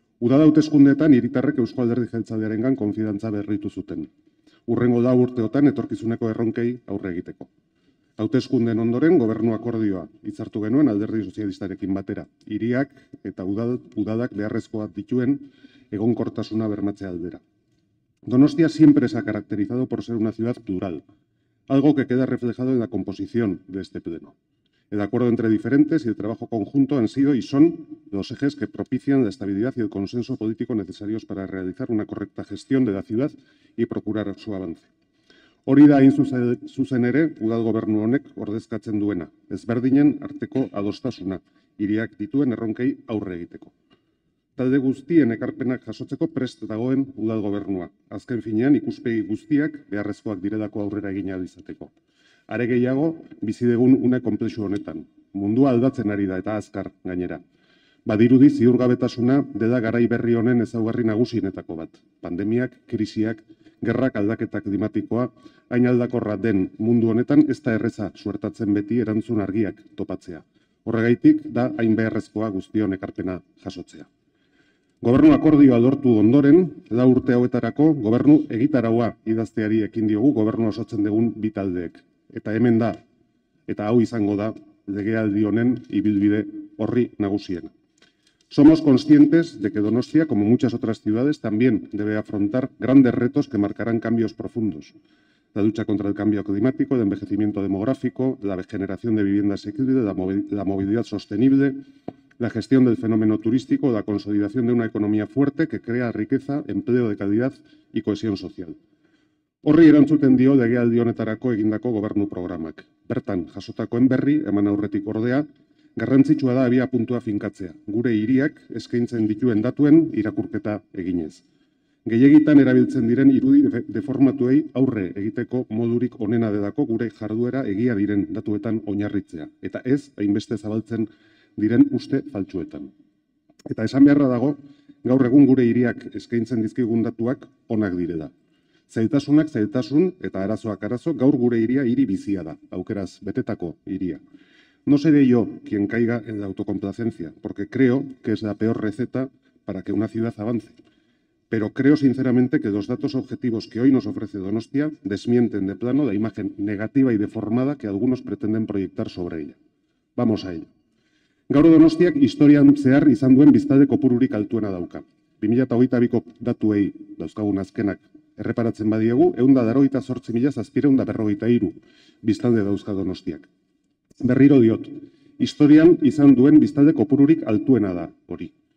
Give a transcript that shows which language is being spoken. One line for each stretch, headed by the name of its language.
Basque: Udal hauteskundeetan hiritarrek Eusko Alderdi Jeltzalearengan konfidantza berritu zuten. Urrengo da urteotan etorkizuneko erronkei aurre egiteko. Hauteskunden ondoren gobernu akordioa hitzartu genuen Alderdi Sozialistarekin batera. Hiriak eta udalak beharrezkoa dituen egonkortasuna bermatzea aldera.
Spanish: Donostia siempre se ha caracterizado por ser una ciudad plural, algo que queda reflejado en la composición de este pleno. El acuerdo entre diferentes y el trabajo conjunto han sido y son los ejes que propician la estabilidad y el consenso político necesarios para realizar una correcta gestión de la ciudad y procurar su avance.
Basque: Hori da hain zuzen ere, udal gobernu honek ordezkatzen duena, ezberdinen arteko adostasuna, hiriak dituen erronkei aurre egiteko. Talde guztien ekarpenak jasotzeko prest dagoen udal gobernua, azken finean ikuspegi guztiak beharrezkoak direlako aurrera egin ahal izateko. Are gehiago, bizidegun une konplexu honetan, mundua aldatzen ari da eta azkar gainera. Badirudi ziurgabetasuna dela garai berri honen ezaugarri nagusienetako bat, pandemiak, krisiak, gerrak aldaketa klimatikoa, hain aldakorra den mundu honetan ez da erreza suertatzen beti erantzun argiak topatzea. Horregaitik da hain beharrezkoa guztion ekarpena jasotzea. Gobernu akordioa lortu ondoren, da urte hauetarako gobernu egitaraua idazteari ekin diogu gobernu osotzen dugun bi taldeek. Eta hemen da, eta hau izango da, legealdi honen ibilbide horri nagusiena.
Spanish: Somos conscientes de que Donostia, como muchas otras ciudades, también debe afrontar grandes retos que marcarán cambios profundos. La lucha contra el cambio climático, el envejecimiento demográfico, la generación de vivienda asequible, la movilidad sostenible, la gestión del fenómeno turístico, la consolidación de una economía fuerte que crea riqueza, empleo de calidad y cohesión social.
Basque: Horri erantzuten dio legealdi honetarako egindako gobernu programak. Bertan, jasotakoen berri, eman aurretik ordea, garrantzitsua da abia puntua finkatzea, gure hiriak eskaintzen dituen datuen irakurketa eginez. Gehiegitan erabiltzen diren irudi deformatuei aurre egiteko modurik onena delako gure jarduera egia diren datuetan oinarritzea, eta ez hainbeste zabaltzen diren uste faltsuetan. Eta esan beharra dago, gaur egun gure hiriak eskaintzen dizkigun datuak onak direla. Zailtasunak zailtasun eta arazoak arazo, gaur gure hiria hiri bizia da, aukeraz betetako hiria.
Spanish: No seré yo quien caiga en la autocomplacencia, porque creo que es la peor receta para que una ciudad avance. Pero creo sinceramente que los datos objetivos que hoy nos ofrece Donostia desmienten de plano la imagen negativa y deformada que algunos pretenden proyectar sobre ella. Vamos a ello.
Basque: Gaur Donostiak historian zehar izan duen biztade kopururik altuena dauka. 2022ko datuei dauzkagun azkenak erreparatzen badiegu, 188.743 biztade dauzka Donostiak. Berriro diot, historian izan duen biztade kopururik altuena da hori.